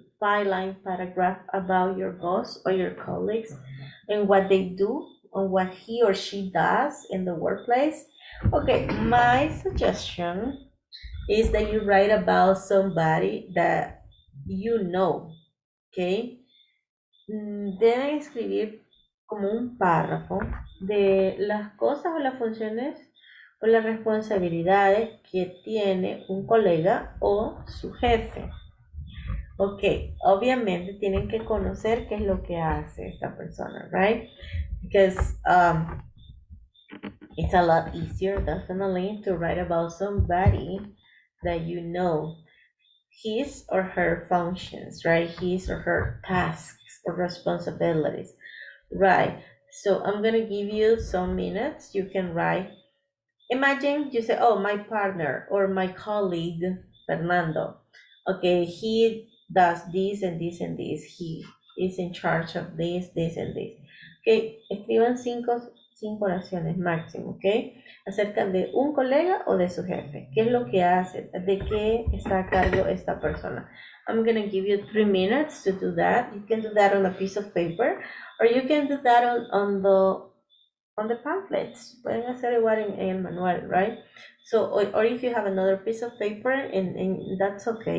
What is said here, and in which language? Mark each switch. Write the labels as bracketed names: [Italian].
[English] Byline paragraph about your boss or your colleagues and what they do and what he or she does in the workplace. Okay, my suggestion is that you write about somebody that you know. [Spanish] Okay, deben escribir como un párrafo de las cosas o las funciones o las responsabilidades que tiene un colega o su jefe. Ok, obviamente tienen que conocer qué es lo que hace esta persona, [English] right? Because it's a lot easier, definitely, to write about somebody that you know his or her functions, right? His or her tasks or responsibilities, right? So I'm going to give you some minutes. You can write. Imagine you say, oh, my partner or my colleague, Fernando. Okay, he does this and this and this. He is in charge of this, this and this. [Spanish] Okay, escriban cinco oraciones máximo, okay? Acerca de un colega o de su jefe. ¿Qué es lo que hace? ¿De qué está a cargo esta persona? [English] I'm going to give you 3 minutes to do that. You can do that on a piece of paper, or you can do that on the pamphlets. [Spanish] Pueden hacer igual en el manual, [English] right? So, or if you have another piece of paper, and that's okay.